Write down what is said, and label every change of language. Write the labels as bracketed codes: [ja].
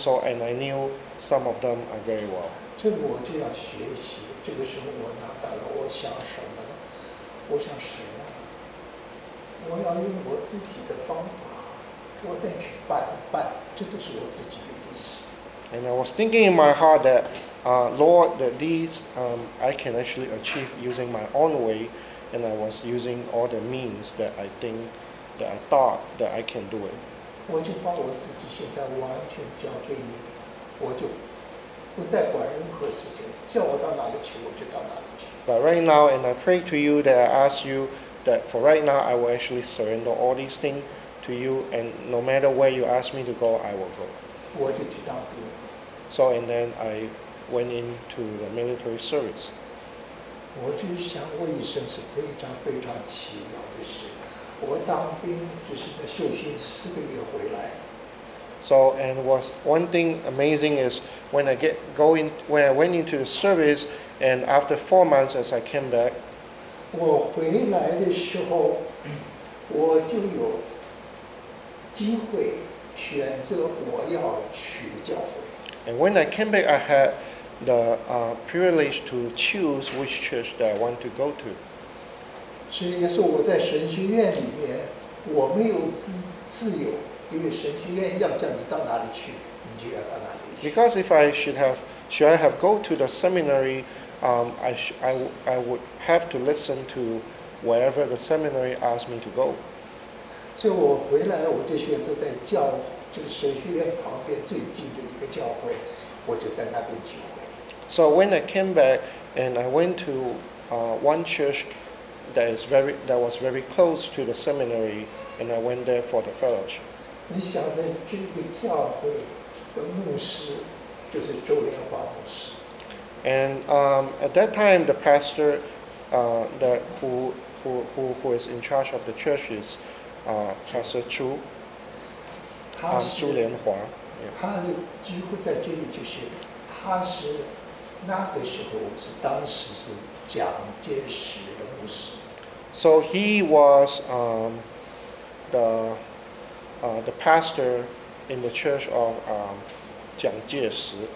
[en] So, and I knew some of them are very well. [zh] 这个我就要学习，这个时候我拿到了，我想什么呢？我想什么？我要用我自己的方法，我再去办，这都是我自己的意思。 [en] And I was thinking in my heart that, Lord, that these I can actually achieve using my own way, and I was using all the means that I think, that I thought that I can do it. [zh] 我就把我自己现在完全交给你，我就不再管任何事情，叫我到哪里去我就到哪里去。 [en] But right now, and I pray to you that I ask you that for right now I will actually surrender all these things to you, and no matter where you ask me to go, I will go. [zh] 我就去当兵。 [en] So and then I went into the military service. [zh] 我就想我一生是非常非常奇妙的事。我当兵就是在受训四个月回来。 [en] So and was one thing amazing is when I get going when I went into the service and after 4 months as I came back. [zh] 我回来的时候，我就有机会。选择我要去的教会。 [en] And when I came back, I had the privilege to choose which church that I want to go to. [zh] 所以也是我在神学院里面，我没有自由，因为神学院要叫你到哪里去，你就要到哪里去。 [en] Because if I should I have go to the seminary, I would have to listen to wherever the seminary asked me to go. [zh] 所以我回来我就选择在教这个神学院旁边最近的一个教会，我就在那边聚会。 [en] So when I came back and I went to one church that was very close to the seminary and I went there for the fellowship. [zh] 你想的这个教会的牧师就是周连华牧师。 [en] And at that time the pastor who is in charge of the church is. Pastor Chu, [zh] 他是朱连华。他的机会在这里，就是他是那个时候是当时是蒋介石的牧师。 [en] So he was the pastor in the church of 蒋介石。